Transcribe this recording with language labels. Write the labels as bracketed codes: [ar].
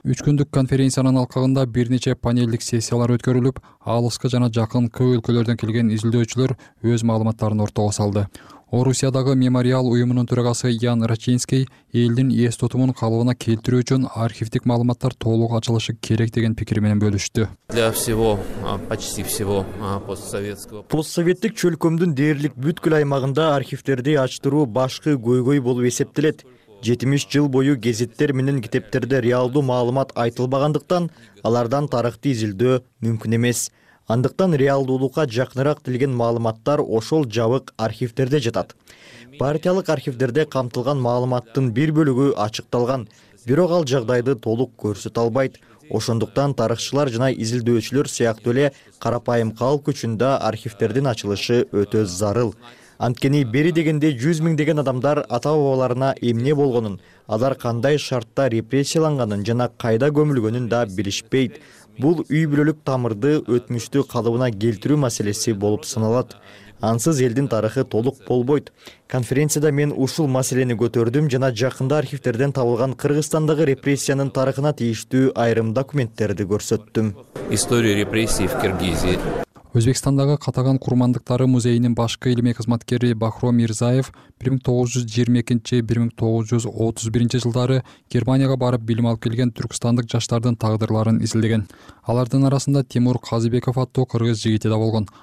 [ky] Үч күндүк конференциянын алкагында бир нече панелдик сессиялар өткөрүлүп, алыскы жана жакынкы өлкөлөрдөн келген изилдөөчүлөр өз маалыматтарын ортого салды. Орусиядагы мемориал уюмунун төрагасы Ян Рачинский элдин эс тутумун калыбына келтирүү үчүн архивдик маалыматтар толук ачылышы керек деген пикир менен бөлүштү. [ru] Для всего, почти всего постсоветского. [ky] Постсоветтик чөлкөмдүн дээрлик бүткүл аймагында архивдерди ачтыруу башкы көйгөй болуп эсептелет. 70 жыл бою гезиттер менен китептерде реалдуу маалымат айтылбагандыктан алардан тарыхты изилдөө мүмкүн эмес. Андыктан реалдуулукка жакыныраак тилген маалыматтар ошол жабык архивдерде жатат. Партиялык архивдерде камтылган маалыматтын бир бөлүгү ачыкталган, бирок ал жагдайды толук көрсөтө албайт. Ошондуктан тарыхчылар жана изилдөөчүлөр сыяктуу эле карапайым калк үчүн да архивдердин ачылышы өтө зарыл. Анткени бери дегенде 100 миң деген адамдар ата бабаларына эмне болгонун, алар кандай шартта репрессияланганын жана кайда көмүлгөнүн да билишпейт. Бул үй бүлөлүк тамырды өтмүштү калыбына келтирүү маселеси болуп саналат. Ансыз элдин тарыхы толук болбойт. Конференцияда мен ушул маселени көтөрдүм жана жакында архивтерден табылган Кыргызстандагы репрессиянын тарыхына тийиштүү айрым документтерди көрсөттүм. [ru] История репрессий в Киргизии. [ky] Өзбекстандагы Катаган курмандыктары музейинин башкы илимий кызматкери Бахро Мирзаев 1922-1931 жылдары Германияга барып билим алып келген түркстандык жаштардын тагдырларын изилдеген. Алардын арасында Тимур Казыбеков аттуу кыргыз жигити да болгон.